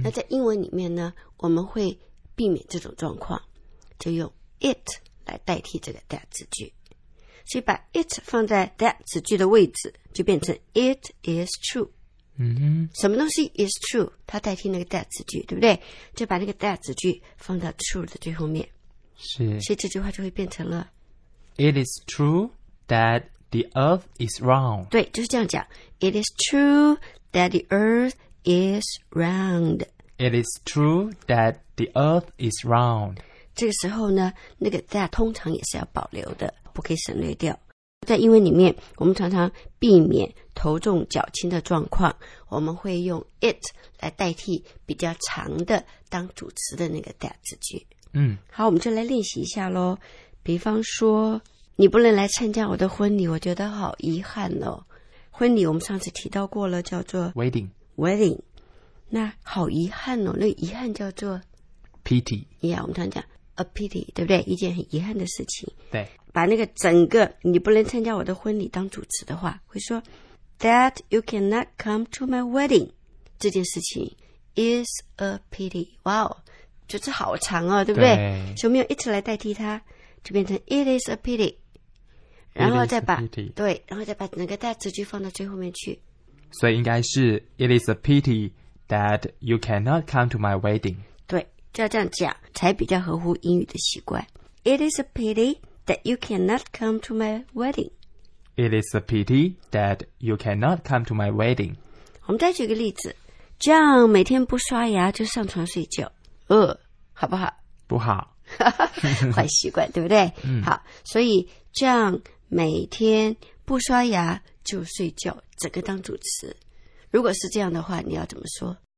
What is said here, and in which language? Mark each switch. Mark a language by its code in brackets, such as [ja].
[zh] 那在英文里面呢我们会避免这种状况就用 it 来代替这个 that 子句所以把 it 放在 that 子句的位置就变成 [en] it is true、 [zh] 嗯、哼什么东西 [en] is true [zh] 它代替那个 that 子句对不对就把那个 that 子句放到 true 的最后面是所以这句话就会变成了 [en] it is true that the earth is round [zh] 对就是这样讲 [en] it is true that the earthis round. It is true that the earth is round. [zh] 这个时候呢那个 that 通常也是要保留的不可以省略掉。在英文里面我们常常避免头重脚轻的状况我们会用 it 来代替比较长的当主词的那个 that 子句。嗯。好我们就来练习一下咯。比方说你不能来参加我的婚礼我觉得好遗憾哦。婚礼我们上次提到过了叫做 [en] Wedding. [zh] Wedding, 那好遗憾哦，那遗憾叫做 [en] pity. [zh] Yeah, 我们常讲 [en] a pity, [zh] 对不对？一件很遗憾的事情。对，把那个整个你不能参加我的婚礼当主持的话，会说 [en] that you cannot come to my wedding. [zh] 这件事情 [en] is a pity. [zh] Wow, 就是好长哦，对不对？所以我们用 it 来代替它，就变成 [en] it is a pity. [zh] 然后再把对，然后再把整个 that 词句放到最后面去。所以应该是 [en] It is a pity that you cannot come to my wedding. [zh] 对，就要这样讲，才比较合乎英语的习惯。 [en] It is a pity that you cannot come to my wedding. It is a pity that you cannot come to my wedding. [zh] 我们再举个例子 ，John 每天不刷牙就上床睡觉，好不好？不好，坏习惯，对不对？嗯、好，所以 John 每天不刷牙。就睡觉，整个当主词。如果是这样的话，你要怎么说